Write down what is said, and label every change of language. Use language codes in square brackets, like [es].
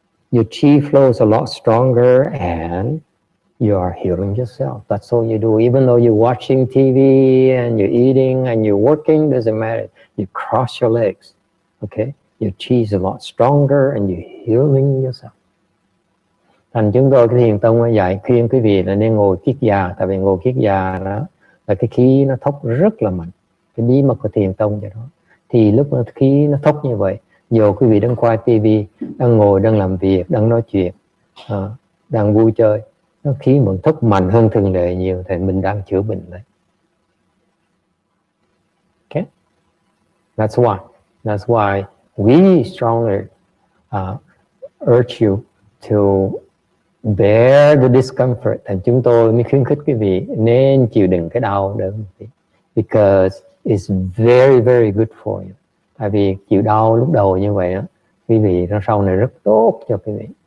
[en] Your chi flows a lot stronger and you are healing yourself. That's all you do. Even though you're watching TV and you're eating and you're working, doesn't matter. You cross your legs, okay? Your chi is a lot stronger and you're healing yourself. [vi] Thành chúng tôi cái thiền tông dạy khuyên quý vị là nên ngồi kiết già, tại vì ngồi kiết già đó là cái khí nó thốc rất là mạnh. Cái bí mật của thiền tông vậy đó. Thì lúc mà khí nó thốc như vậy, dù quý vị đang quay TV, đang ngồi, đang làm việc, đang nói chuyện, đang vui chơi, nó khí mượn thốc mạnh hơn thường lệ nhiều thì mình đang chữa bệnh đấy. [en] Okay? That's why we strongly urge you to bear the discomfort. [vi] Thành chúng tôi mới khuyến khích quý vị nên chịu đựng cái đau đớn. [en] Because it's very, very good for you. [vi] Tại vì chịu đau lúc đầu như vậy đó, quý vị nó sau này rất tốt cho quý vị.